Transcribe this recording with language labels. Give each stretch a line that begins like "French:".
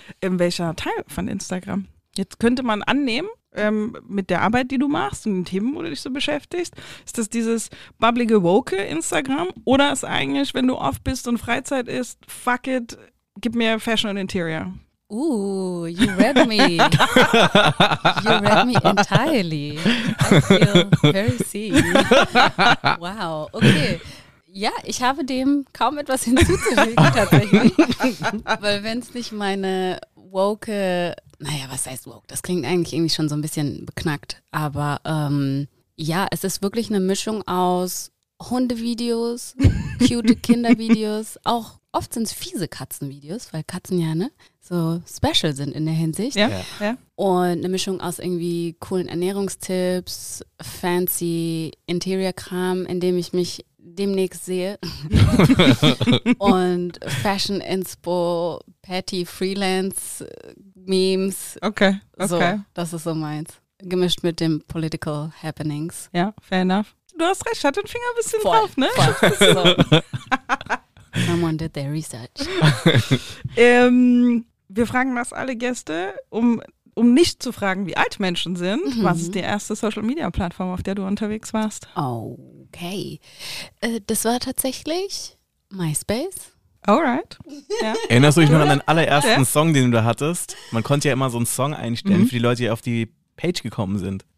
German: In welcher Teil von Instagram? Jetzt könnte man annehmen, mit der Arbeit, die du machst und den Themen, wo du dich so beschäftigst, ist das dieses bubblige, woke Instagram? Oder ist eigentlich, wenn du off bist und Freizeit ist,
English: fuck it,
German: gib mir Fashion und Interior?
English: You read me. You read me entirely. I feel very seen. Wow, okay.
German: Ja, ich habe dem kaum etwas hinzuzufügen, tatsächlich. Weil wenn es nicht meine woke, naja, was heißt woke? Das klingt eigentlich irgendwie schon so ein bisschen beknackt. Aber ja, es ist wirklich eine Mischung aus Hundevideos, cute Kindervideos, auch oft sind es fiese Katzenvideos, weil Katzen ja, ne, so special sind in der Hinsicht. Ja, ja, ja. Und eine Mischung aus irgendwie coolen Ernährungstipps, fancy Interior-Kram, in dem ich mich demnächst sehe. Und Fashion-Inspo, Patty-Freelance-Memes. Okay, okay. So, das ist so meins. Gemischt mit dem Political Happenings.
English: Ja, fair enough.
German: Du hast recht, hat den Finger ein bisschen voll drauf, ne? Voll.
English: Someone did their research.
German: Wir fragen was alle Gäste, um nicht zu fragen, wie alt Menschen sind. Mhm. Was ist die erste Social-Media-Plattform, auf der du unterwegs warst? Okay. Das war tatsächlich MySpace. Alright. Ja. Erinnerst du dich noch an deinen allerersten Song, den du da hattest? Man konnte ja immer so einen Song einstellen für die Leute, die auf die Page gekommen sind.